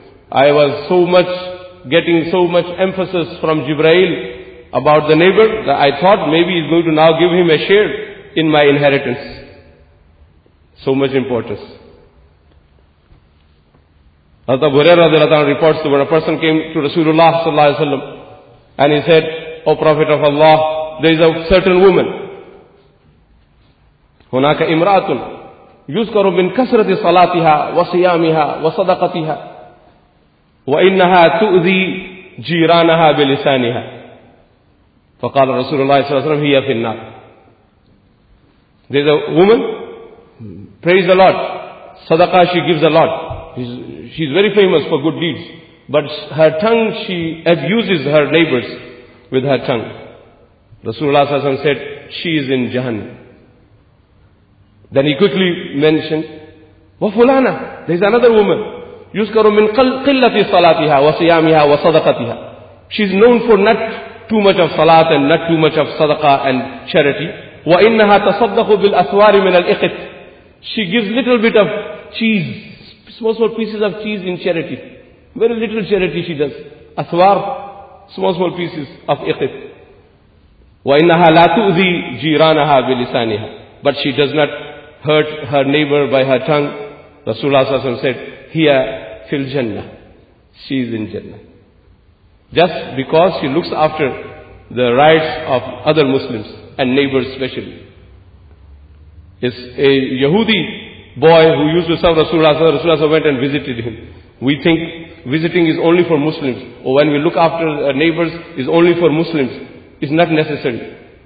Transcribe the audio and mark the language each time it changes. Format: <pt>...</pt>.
<en>I was getting so much emphasis from Jibrail about the neighbor that I thought maybe he's going to now give him a share in my inheritance. So much importance. Hazrat Abu Huraira radhiyallahu anhu reports that when a person came to Rasulullah sallallahu alaihi wasallam and he said, O Prophet of Allah, there is a certain woman.</en> <ar>هناك امرأة يذكر من كثرة صلاتها وصيامها وصدقتها وإنها تؤذي جيرانها بلسانها. فقال رسول الله صلى الله عليه وسلم هي في النار.</ar> <en>There's a woman, praise the Lord, sadaqah she gives a lot. She's very famous for good deeds. But her tongue, she abuses her neighbors with her tongue. Rasulullah صلى الله عليه وسلم said, she is in Jahannam. Then he quickly mentioned,</en> <ar>وَفُلَانَ.</ar> <en>There's another woman.</en> <ar>يُذْكَرُ مِنْ قِلَّةِ صَلَاتِهَا وَصِيَامِهَا وَصَدَقَتِهَا.</ar> <en>She's known for not too much of salat and not too much of sadaqah and charity.</en> <ar>وَإِنَّهَا تَصَدَّقُ بِالْأَثْوَارِ مِنَ الْإِقِتْ.</ar> <en>She gives little bit of cheese, small pieces of cheese in charity. Very little charity she does. Athwar, small pieces of iqit.</en> <ar>وَإِنَّهَا لَا تُؤْذِي جِيرَانَهَا بِلِسَانِهَا.</ar> <en>But she does not hurt her neighbor by her tongue.</en> <ar>Rasulullah صلى الله عليه وسلم</ar> <en>said,</en> <ar>هِيَ فِي الْجَنَّةِ.</ar> <en>She is in Jannah. Just because she looks after the rights of other Muslims and neighbors especially. It's a Yahudi boy who used to serve Rasulullah. Rasulullah went and visited him. We think visiting is only for Muslims, or when we look after our neighbors is only for Muslims. It's not necessary.</en>